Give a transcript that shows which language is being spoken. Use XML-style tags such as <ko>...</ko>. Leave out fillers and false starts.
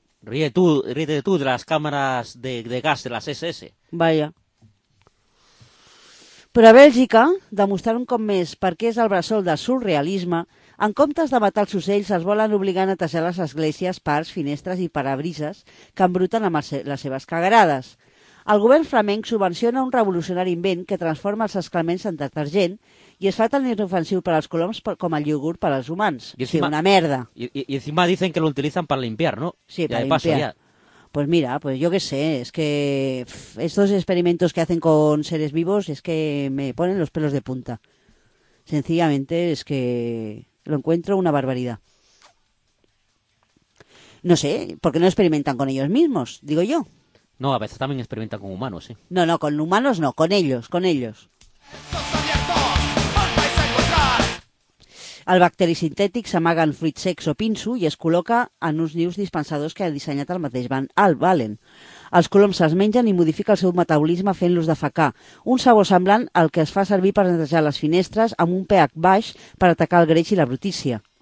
<es>Ríete tú de las cámaras de gas de las SS. Vaya.</es> <ca>Però a Bèlgica, demostrar un cop més per què és el bressol de surrealisme, en comptes de matar els ocells, es volen obligar a netejar les esglésies, parcs, finestres i parabrises que embruten amb les seves cagarades. El govern flamenc subvenciona un revolucionari invent que transforma els excrements en detergent i es fa tan inofensiu per als coloms com el iogurt per als humans. I encima, sí, una merda.</ca> <es>I encima dicen que lo utilizan para limpiar, ¿no? Sí, ya para limpiar. Pues mira, pues yo qué sé, es que estos experimentos que hacen con seres vivos es que me ponen los pelos de punta. Sencillamente es que lo encuentro una barbaridad. No sé, ¿por qué no experimentan con ellos mismos? Digo yo. No, a veces también experimentan con humanos, ¿eh? No, no, con humanos no, con ellos, con ellos.</es> <ca>El bacteri sintètic s'amaga en fruits secs o pinso i es col·loca en uns nius dispensadors que ha dissenyat el mateix Van Alvalen. Els coloms se'ls mengen i modifica el seu metabolisme fent-los defecar, un sabor semblant al que es fa servir per netejar les finestres amb un pH baix per atacar el greix i la brutícia.</ca>